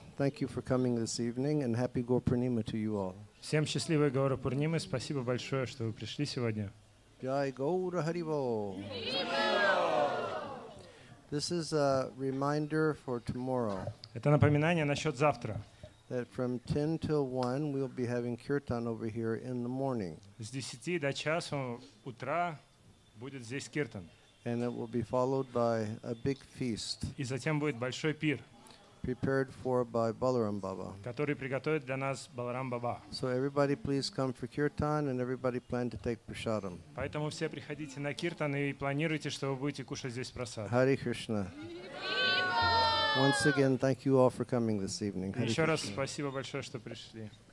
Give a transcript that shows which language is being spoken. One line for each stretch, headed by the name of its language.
English: Thank you for coming this evening, and happy Gaur Purnima to you all.
Russian: Всем счастливой Гаура Пурнимы. Спасибо большое, что вы пришли сегодня.
Sanskrit: Jai Gaura Haribo.
English: This is a reminder for tomorrow.
Russian: Это напоминание насчет завтра.
English: That from 10 till 1 we'll be having kirtan over here in the morning.
Russian: С 10 до часу утра будет здесь киртан.
English: And it will be followed by a big feast.
Russian: И затем будет большой пир.
English: Prepared for by Balaram Baba.
Russian: Который приготовит для нас Баларам Баба.
English: So everybody please come for Kirtan and everybody plan to take prasadam.
Russian: Поэтому все приходите на Киртан и планируйте, что вы будете кушать здесь прасад.
Sanskrit: Hare Krishna.
English: Once again, thank you all for coming this evening.
Russian: Еще раз спасибо большое, что пришли.